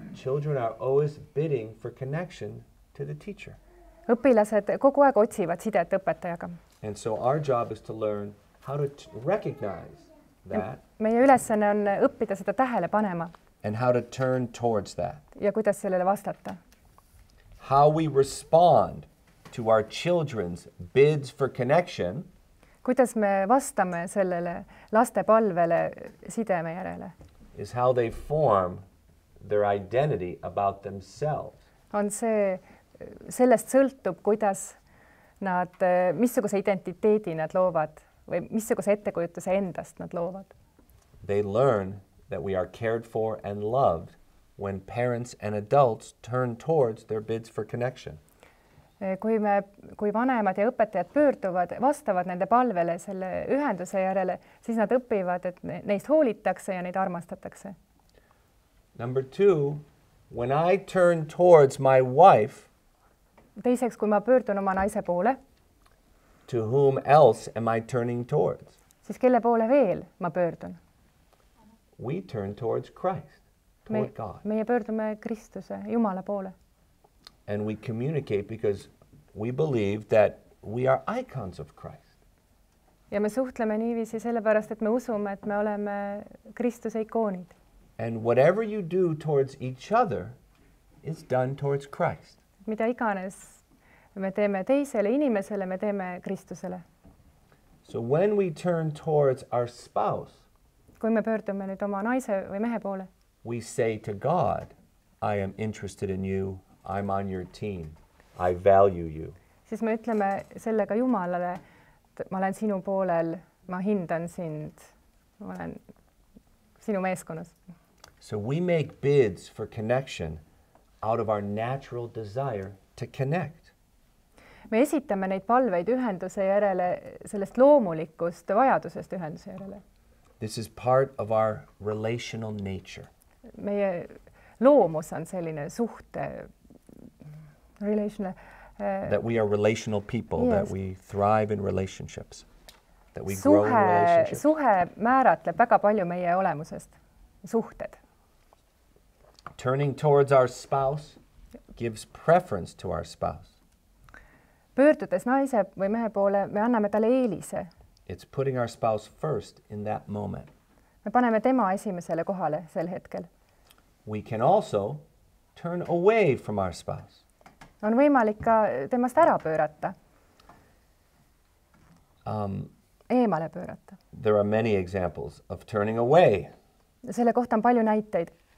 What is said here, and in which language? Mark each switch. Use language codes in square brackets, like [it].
[en] Children are always bidding for connection to the teacher. [et] Õpilased kogu aeg otsivad sidet õpetajaga. [en] And so our job is to learn how to recognize that. [et] Meie ülesanne on õppida seda tähele panema. [en] And how to turn towards that. [et] Ja kuidas sellele vastata. [en] How we respond to our children's bids for connection. [et] Kuidas me vastame sellele laste palvele sideme järele. [en] Is how they form their identity about themselves. [et] On see, sellest sõltub, kuidas nad, missuguse identiteedi nad loovad või missuguse ettekujutuse endast nad loovad. [en] They learn that we are cared for and loved when parents and adults turn towards their bids for connection. [et] Kui vanemad ja õpetajad pöörduvad, vastavad nende palvele selle ühenduse järele, siis nad õpivad, et neist hoolitakse ja neid armastatakse. [en] Number two, when I turn towards my wife, [et] teiseks, kui ma pöördun oma naise poole, [en] to whom else am I turning towards? [et] Siis kelle poole veel ma pöördun? [en] We turn towards Christ, toward God. [et] Meie pöördume Kristuse, Jumala poole. [en] And we communicate because we believe that we are icons of Christ. [et] Ja me suhtleme niiviisi sellepärast, et me usume, et me oleme Kristuse ikoonid. [en] And whatever you do towards each other is done towards Christ. [et] Mida iganes me teeme teisele inimesele, me teeme Kristusele. [en] So when we turn towards our spouse, [et] kui me pöördume nüüd oma naise või mehe poole, [en] we say to God, I am interested in you. I'm on your team. I value you. [et] Siis me ütleme sellega Jumalale, et ma olen sinu poolel, ma hindan sind, ma olen sinu meeskonnas. [en] So we make bids for connection out of our natural desire to connect. [et] Me esitame neid palveid ühenduse järele sellest loomulikust vajadusest ühenduse järele. [en] This is part of our relational nature. [et] Meie loomus on selline suhte, relational, [en] that we are relational people, yes. That we thrive in relationships, that we grow in relationships. [et] Suhe määratleb väga palju meie olemusest, suhted. [en] Turning towards our spouse gives preference to our spouse. [et] Pöördudes naise või mehe poole, me anname talle eelise. [en] It's putting our spouse first in that moment. [et] Me paneme tema esimesele kohale sel hetkel. [en] We can also turn away from our spouse. [et] On võimalik ka temast ära pöörata. Eemale pöörata. [en] There are many examples of turning away. [et] Selle kohta on palju näiteid.